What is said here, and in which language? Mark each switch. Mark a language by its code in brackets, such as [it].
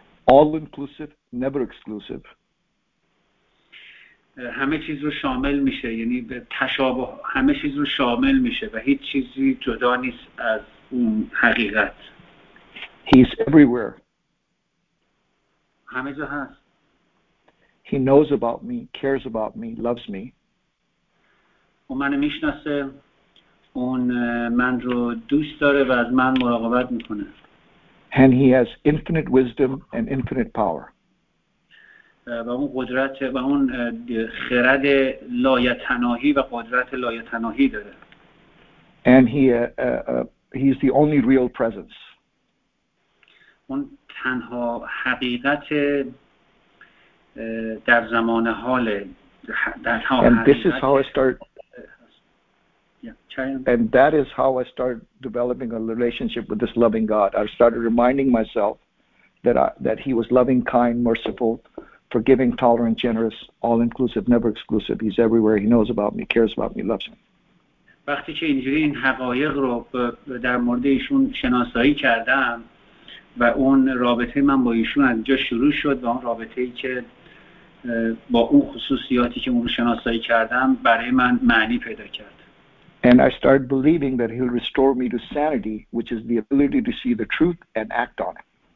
[en] all-inclusive, never exclusive. [fa] همه چیز رو شامل میشه، یعنی به تشابه همه چیز رو شامل میشه و هیچ چیزی جدا نیست از اون حقیقت. [en] He's everywhere. [fa] همه جا هست. [en] He knows about me, cares about me, loves me. [fa] اون منو میشناسه، اون من رو دوست داره و از من مراقبت میکنه. [en] And he has infinite wisdom and infinite power. [fa] و اون قدرت و اون خرد لایتناهی و قدرت لایتناهی داره. [en] And he's the only real presence. [fa] اون تنها حقیقت در زمان حال در حال. [en] And this is how I start. And that is how I started developing a relationship with this loving God. I started reminding myself that he was loving, kind, merciful, forgiving, tolerant, generous, all-inclusive, never exclusive. He's everywhere. He knows about me, cares about me, loves me. [fa] وقتی که اینجوری این حقایق رو در مورد ایشون شناسایی کردم و اون رابطه من با ایشون از اینجا شروع شد و اون رابطه‌ای که با اون خصوصیاتی که اون رو شناسایی کردم برای من معنی پیدا کرد. [en] And I started believing that he'll restore me to sanity, which is the ability to see the truth and act on it.